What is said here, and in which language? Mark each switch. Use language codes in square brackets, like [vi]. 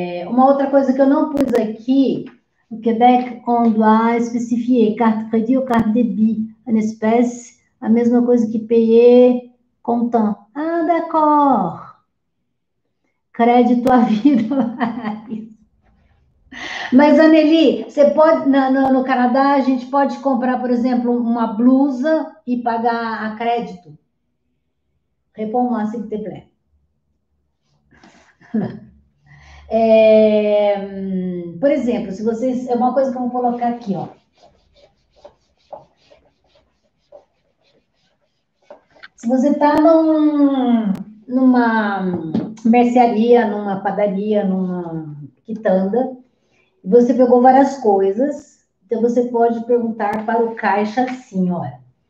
[pt] Uma outra coisa que eu não pus aqui, o Quebec, quando há, especifiquei, carte crédit ou carte débit, en espèce, a mesma coisa que payer, comptant. [fr] Ah, d'accord. Crédito à vida. [pt] Mas, Anneli, você pode, no Canadá, a gente pode comprar, por exemplo, uma blusa e pagar a crédito. [fr] Réponds-moi, s'il te plaît. [pt] Por exemplo, se vocês. É uma coisa que eu vou colocar aqui, ó. Se você está numa mercearia, numa padaria, numa quitanda, você pegou várias coisas, então você pode perguntar para o caixa assim, olha.